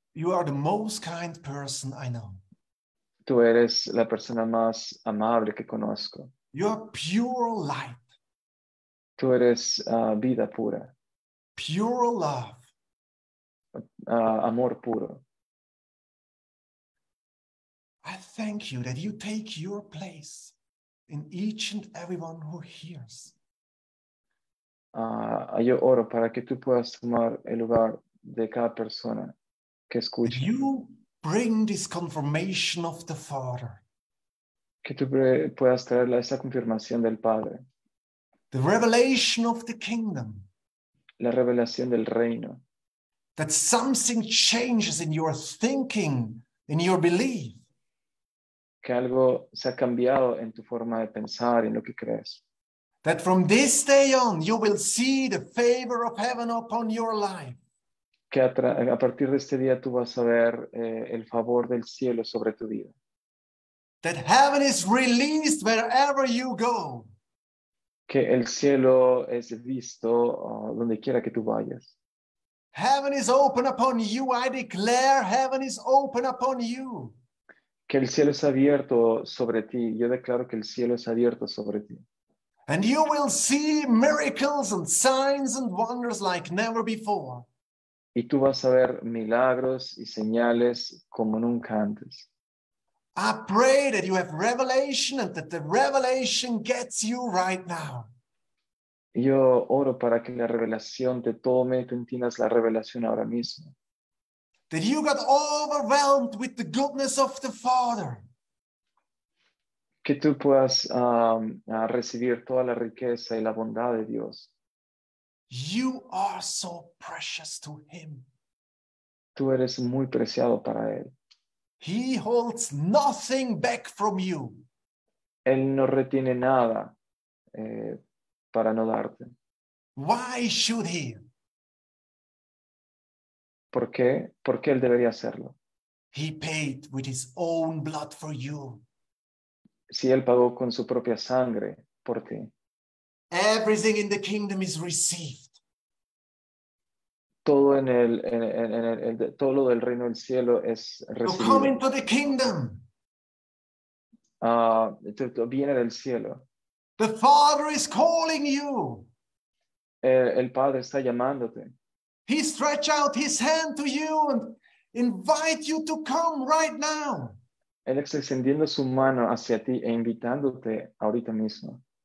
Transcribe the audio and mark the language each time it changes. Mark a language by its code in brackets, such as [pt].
[en] You are the most kind person I know. [es] Tú eres la persona más amable que conozco. [en] You are pure light. [es] Tú eres vida pura. [en] Pure love. [es] Amor puro. [en] I thank you that you take your place in each and everyone who hears. [es] Yo oro para que tú puedas tomar el lugar de cada persona que escucha. [en] That you bring this confirmation of the Father. [es] Que tú puedas traer esa confirmación del Padre. [en] The revelation of the kingdom. [es] La revelación del reino. [en] That something changes in your thinking, in your belief. [es] Que algo se ha cambiado en tu forma de pensar, en lo que crees. [en] That from this day on, you will see the favor of heaven upon your life. [es] Que a partir de este día, tú vas a ver el favor del cielo sobre tu vida. [en] That heaven is released wherever you go. [es] Que el cielo es visto donde quiera que tú vayas. [en] Heaven is open upon you. I declare heaven is open upon you. [es] Que el cielo es abierto sobre ti. Yo declaro que el cielo es abierto sobre ti. [en] And you will see miracles and signs and wonders like never before. [es] Y tú vas a ver milagros y señales como nunca antes. [en] I pray that you have revelation and that the revelation gets you right now. [es] Yo oro para que la revelación te tome, tú entiendas la revelación ahora mismo. [en] That you got overwhelmed with the goodness of the Father. [es] Que tú puedas recibir toda la riqueza y la bondad de Dios. [en] You are so precious to him. [es] Tú eres muy preciado para él. [en] He holds nothing back from you. [es] Él no retiene nada para no darte. [en] Why should he? [es] ¿Por qué? ¿Por qué él debería hacerlo? [en] He paid with his own blood for you. [es] Si él pagó con su propia sangre por ti. [en] Everything in the kingdom is received. [es] Todo en el, todo lo del reino del cielo es recibido. [en] You come into the kingdom. [es] Viene del cielo. [en] The Father is calling you. [es] El Padre está llamándote. [en] He stretch out his hand to you and invite you to come right now. [es] Él está extendiendo su mano hacia ti e invitándote ahorita mismo.